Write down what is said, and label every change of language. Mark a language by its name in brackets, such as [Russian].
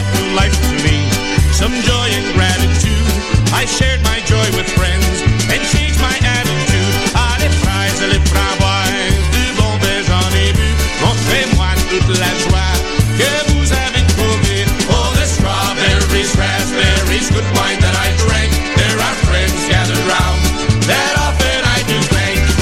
[English] Some joy and gratitude. I shared my joy with friends and changed my attitude. [French] Allez, frais, les framboises, du bon vin, j'en ai bu. Montrez-moi toute la joie que vous avez trouvée. [English] Oh, the strawberries, raspberries, good wine that I drank. There are friends gathered round that often I do thank.